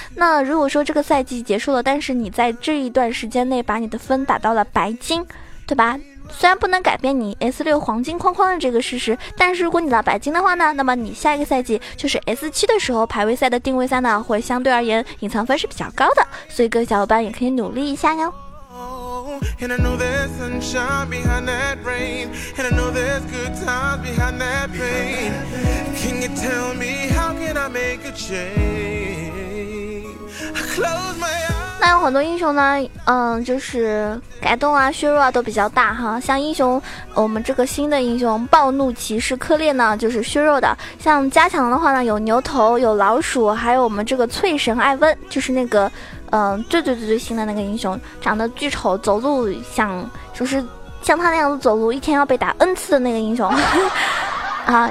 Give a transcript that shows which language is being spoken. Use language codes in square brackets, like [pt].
[zh] 那如果说这个赛季结束了，但是你在这一段时间内把你的分打到了白金，对吧？虽然不能改变你 S6 黄金框框的这个事实，但是如果你拿白金的话呢，那么你下一个赛季就是 S7 的时候排位赛的定位赛呢会相对而言隐藏分是比较高的，所以各位小伙伴也可以努力一下哟。 [en] And I know there's sunshine behind that rain. And I know there's good times behind that pain. Can you tell me how can I make a change? I close my eyes. [zh] 那有很多英雄呢，就是改动啊、削弱啊都比较大哈。像英雄，我们这个新的英雄暴怒骑士克烈呢，就是削弱的。像加强的话呢，有牛头、有老鼠，还有我们这个翠神艾温，就是那个，最新的那个英雄，长得巨丑，走路像就是像他那样的走路，一天要被打 N 次的那个英雄啊。